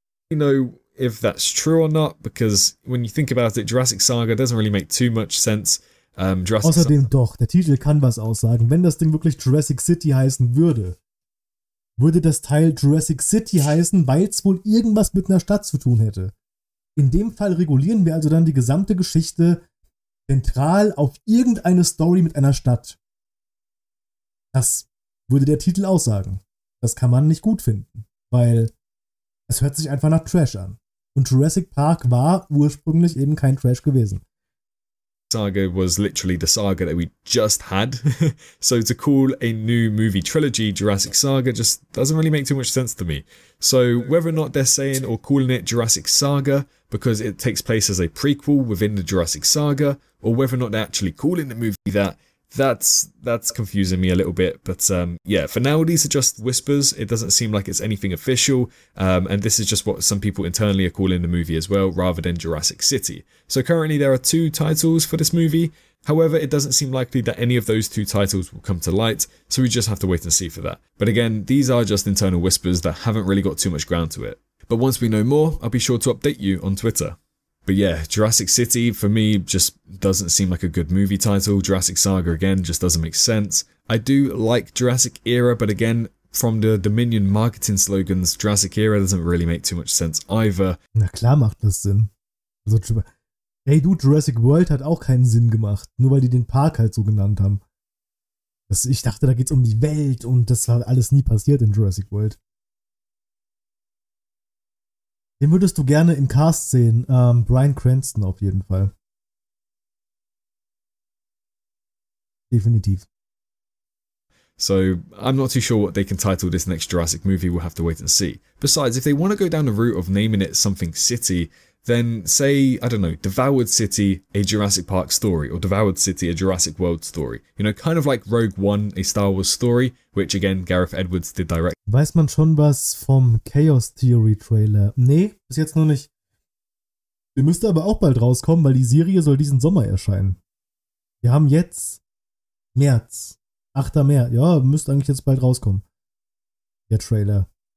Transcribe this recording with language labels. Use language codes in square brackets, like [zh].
[en] You know if that's true or not, because when you think about it, Jurassic Saga doesn't really make too much sense. [de] Außerdem doch, der Titel kann was aussagen. Wenn das Ding wirklich Jurassic City heißen würde, würde das Teil Jurassic City heißen, weil es wohl irgendwas mit einer Stadt zu tun hätte. In dem Fall regulieren wir also dann die gesamte Geschichte zentral auf irgendeine Story mit einer Stadt. Das würde der Titel aussagen. Das kann man nicht gut finden, weil es hört sich einfach nach Trash an. Und Jurassic Park war ursprünglich eben kein Trash gewesen. [en] Saga was literally the saga that we just had. So to call a new movie trilogy Jurassic Saga just doesn't really make too much sense to me. So whether or not they're saying or calling it Jurassic Saga because it takes place as a prequel within the Jurassic Saga, or whether or not they're actually calling the movie that, that's confusing me a little bit. But for now these are just whispers. It doesn't seem like it's anything official. And this is just what some people internally are calling the movie as well, rather than Jurassic City. So currently there are two titles for this movie. However, it doesn't seem likely that any of those two titles will come to light, so we just have to wait and see for that. But again, these are just internal whispers that haven't really got too much ground to it. But once we know more, I'll be sure to update you on Twitter. But yeah, Jurassic City, for me, just doesn't seem like a good movie title. Jurassic Saga, again, just doesn't make sense. I do like Jurassic Era, but again, from the Dominion marketing slogans, Jurassic Era doesn't really make too much sense either. [de] Na klar macht das Sinn. Also, hey du, Jurassic World hat auch keinen Sinn gemacht, nur weil die den Park halt so genannt haben. Ich dachte, da geht's um die Welt und das war alles nie passiert in Jurassic World. Den würdest du gerne im Cast sehen, Bryan Cranston auf jeden Fall. Definitiv. [en] So, I'm not too sure what they can title this next Jurassic movie, we'll have to wait and see. Besides, if they want to go down the route of naming it something city, then say, I don't know, Devoured City, a Jurassic Park story, or Devoured City, a Jurassic World story. You know, kind of like Rogue One, a Star Wars story, which again, Gareth Edwards did direct. [de] Weiß man schon was vom Chaos Theory Trailer? Nee, bis jetzt noch nicht. Der müsste aber auch bald rauskommen, weil die Serie soll diesen Sommer erscheinen. Wir haben jetzt März. 8. März. Ja, müsste eigentlich jetzt bald rauskommen. Der Trailer.